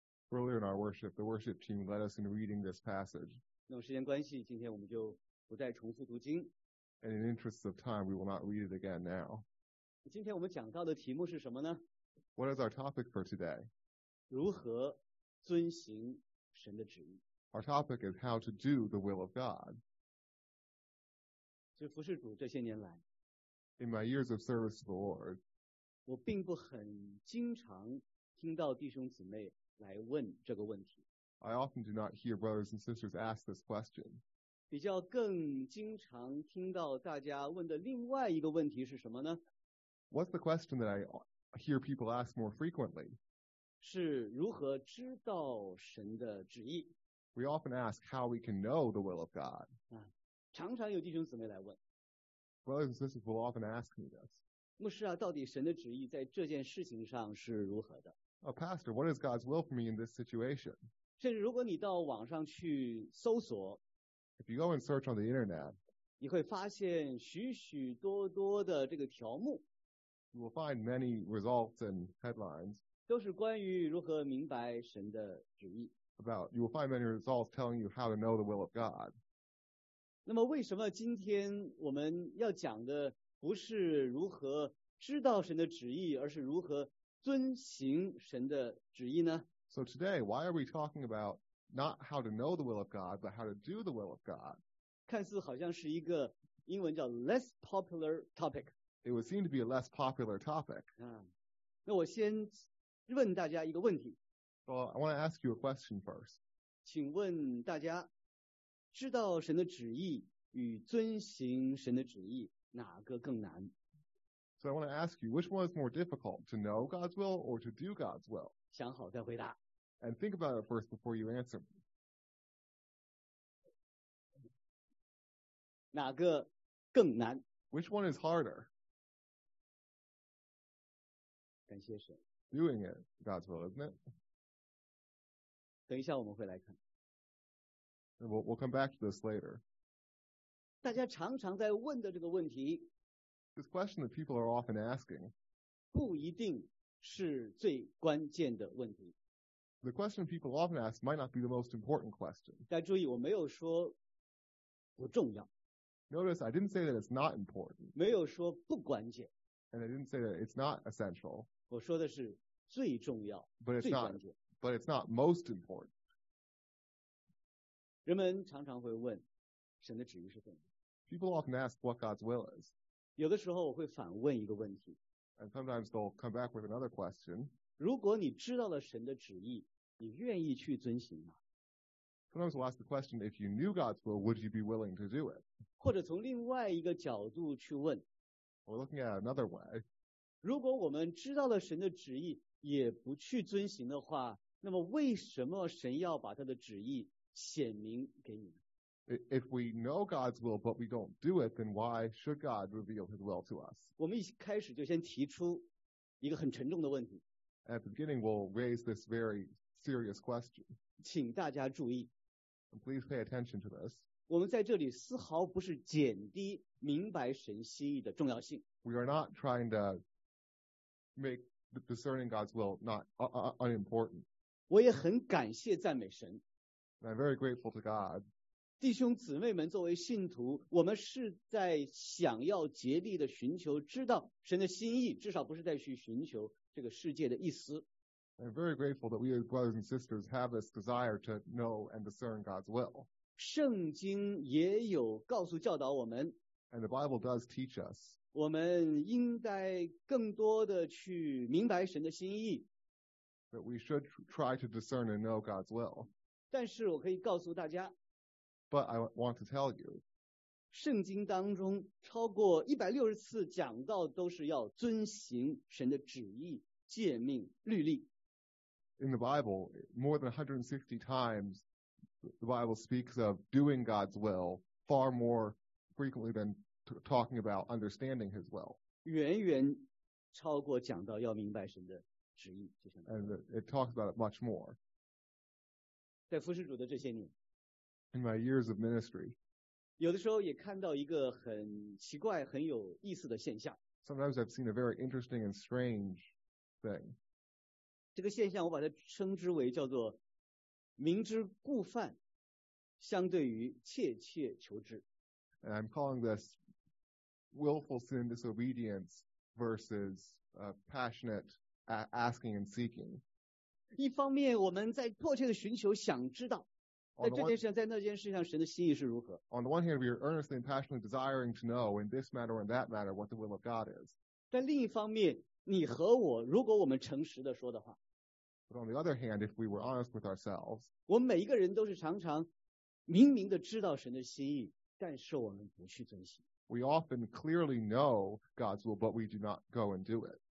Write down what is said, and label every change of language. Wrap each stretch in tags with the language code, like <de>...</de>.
<en>Earlier in our worship, the worship team led us in reading this passage.</en> <zh>那么时间关系，今天我们就不再重复读经。</zh> <en>And in interests of time, we will not read it again now.</en> <zh>今天我们讲到的题目是什么呢？</zh> <en>What is our topic for today?</en> <zh>如何遵行神的旨意？</zh> <en>Our topic is how to do the will of God.</en> <zh>就服侍主这些年来，</zh> <en>In my years of service to the Lord,</en> <zh>我并不很经常听到弟兄姊妹来问这个问题。</zh> <en>I often do not hear brothers and sisters ask this question.</en> <zh>比较更经常听到大家问的另外一个问题是什么呢？</zh> <en>What's the question that I hear people ask more frequently?</en> <zh>是如何知道神的旨意？</zh> <en>We often ask how we can know the will of God.</en> <zh>常常有弟兄姊妹来问。</zh> <en>Brothers and sisters will often ask me this.</en> <zh>牧师啊，到底神的旨意在这件事情上是如何的？</zh> <en>Oh, Pastor, what is God's will for me in this situation?</en> <zh>甚至如果你到网上去搜索，</zh> <en>If you go and search on the internet,</en> <zh>你会发现许许多多的这个条目，</zh> <en>You will find many results and headlines,</en> <zh>都是关于如何明白神的旨意。</zh> <en>You will find many results telling you how to know the will of God.</en> <zh>那么为什么今天我们要讲的不是如何知道神的旨意，而是如何遵行神的旨意呢？</zh> <en>So today, why are we talking about not how to know the will of God, but how to do the will of God?</en> <zh>看似好像是一个英文叫</zh> <en>less popular topic. It would seem to be a less popular topic.</en> <zh>那我先问大家一个问题。</zh> <en>Well, I want to ask you a question first.</en> <zh>请问大家，知道神的旨意与遵行神的旨意哪个更难？</zh> <en>So I want to ask you, which one is more difficult, to know God's will or to do God's will?</en> <zh>想好再回答。</zh> <en>And think about it first before you answer me.</en> <zh>哪个更难？</zh> <en>Which one is harder?</en> <zh>感谢神。</zh> <en>Doing it, God's will, isn't it?</en> <zh>等一下我们会来看。</zh> <en>We'll come back to this later.</en> <zh>大家常常在问的这个问题，</zh> <en>This question that people are often asking,</en> <zh>不一定是最关键的问题。</zh> <en>The question people often ask might not be the most important question.</en> <zh>大家注意，我没有说不重要。</zh> <en>Notice I didn't say that it's not important.</en> <zh>没有说不关键。</zh> <en>And I didn't say that it's not essential.</en> <zh>我说的是最重要，最关键。</zh> <en>But it's not most important.</en> <zh>人们常常会问神的旨意是什么。</zh> <en>People often ask what God's will is.</en> <zh>有的时候我会反问一个问题。</zh> <en>And sometimes they'll come back with another question.</en> <zh>如果你知道了神的旨意，你愿意去遵行吗？</zh> <en>Sometimes we'll ask the question, if you knew God's will, would you be willing to do it?</en> <zh>或者从另外一个角度去问。</zh> <en>We're looking at another way.</en> <zh>如果我们知道了神的旨意，也不去遵行的话，那么为什么神要把他的旨意显明给你呢？</zh> <en>If we know God's will but we don't do it, then why should God reveal His will to us?</en> <zh>我们一开始就先提出一个很沉重的问题。</zh> <en>At the beginning, we'll raise this very serious question.</en> <zh>请大家注意。</zh> <en>And please pay attention to this.</en> <zh>我们在这里丝毫不是减低明白神心意的重要性。</zh> <en>We are not trying to make discerning God's will not unimportant.</en> <zh>我也很感谢赞美神。</zh> <en>And I'm very grateful to God.</en> <zh>弟兄姊妹们，作为信徒，我们是在想要竭力的寻求知道神的心意，至少不是在去寻求这个世界的意思。</zh> <en>I'm very grateful that we as brothers and sisters have this desire to know and discern God's will.</en> <zh>圣经也有告诉教导我们。</zh> <en>And the Bible does teach us.</en> <zh>我们应该更多的去明白神的心意。</zh> <en>That we should try to discern and know God's will.</en> <zh>但是我可以告诉大家。</zh> <en>But I want to tell you.</en> <zh>圣经当中超过160次讲到都是要遵行神的旨意、诫命、律例。</zh> <en>In the Bible, more than 160 times, the Bible speaks of doing God's will far more frequently than talking about understanding His will.</en> <zh>远远超过讲到要明白神的旨意，就像。</zh> <en>And it talks about it much more.</en> <zh>在服侍主的这些年。</zh> <en>In my years of ministry.</en> <zh>有的时候也看到一个很奇怪、很有意思的现象。</zh> <en>So sometimes I've seen a very interesting and strange thing.</en> <zh>这个现象我把它称之为叫做明知故犯相对于切切求知。</zh> <en>And I'm calling this willful sin disobedience versus passionate asking and seeking.</en> <zh>一方面我们在迫切的寻求想知道在这件事上在那件事上神的心意是如何。</zh> <en>On the one hand, we are earnestly and passionately desiring to know in this matter or in that matter what the will of God is.</en> <zh>但另一方面你和我如果我们诚实的说的话</zh> <en>But on the other hand, if we were honest with ourselves,</en> <zh>我们每一个人都是常常明明的知道神的心意但是我们不去遵行。</zh> <en>We often clearly know God's will, but we do not go and do it.</en>